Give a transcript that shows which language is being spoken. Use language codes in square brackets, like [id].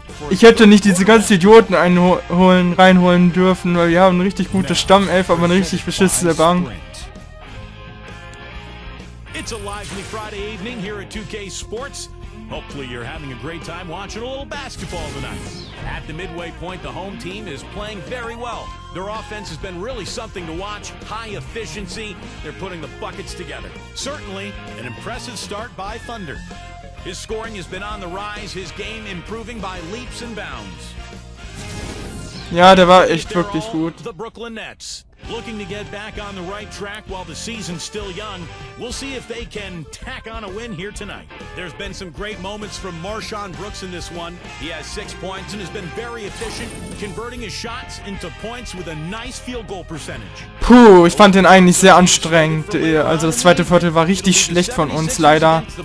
[de] Ich hätte nicht diese ganzen Idioten reinholen dürfen, weil wir haben ein richtig gutes Stammelf, aber eine richtig beschissene Bank. [en] It's a lively Friday evening here at 2K Sports. Hopefully you're having a great time watching a little basketball tonight. At the midway point, the home team is playing very well. Their offense has been really something to watch. High efficiency. They're putting the buckets together. Certainly an impressive start by Thunder. His scoring has been on the rise, his game improving by leaps and bounds. [de] Ja, der war echt wirklich gut. [en] The Brooklyn Nets. Looking to get back on the right track while the season's still young. We'll see if they can tack on a win here tonight. There's been some great moments from Marshawn Brooks in this one. He has 6 points and has been very efficient, converting his shots into points with a nice field goal percentage. [de] Puh, ich fand den eigentlich sehr anstrengend. Also das zweite Viertel war richtig schlecht von uns, leider.